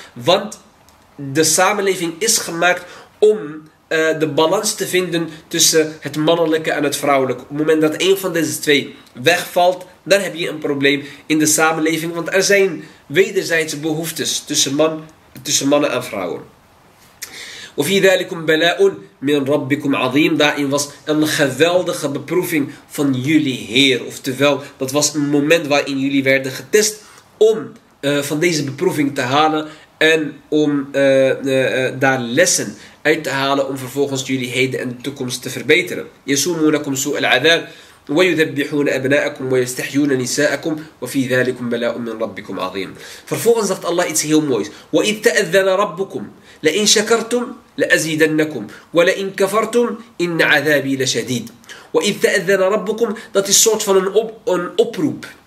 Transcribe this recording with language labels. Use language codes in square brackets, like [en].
[nl] Want de samenleving is gemaakt om de balans te vinden tussen het mannelijke en het vrouwelijke. Op het moment dat een van deze twee wegvalt, dan heb je een probleem in de samenleving. Want er zijn wederzijdse behoeftes tussen mannen en vrouwen. [ar] وفي ذلكم بلاء من ربكم عظيم. [nl] Daarin was een geweldige beproeving van jullie Heer. Oftewel, dat was een moment waarin jullie werden getest om van deze beproeving te halen en om daar lessen uit te halen om vervolgens jullie heden en toekomst te verbeteren. [ar] يسومونكم سوء العذاب ويذبحون أبناءكم ويستحيون نساءكم وفي ذلكم بلاء من ربكم عظيم. [nl] Vervolgens zegt Allah iets heel moois. [ar] وإذ تأذن ربكم لئن شكرتم لأزيدنكم ولئن كفرتم إن عذابي لشديد. وإذ تأذن ربكم, [nl] dat is soort van een oproep.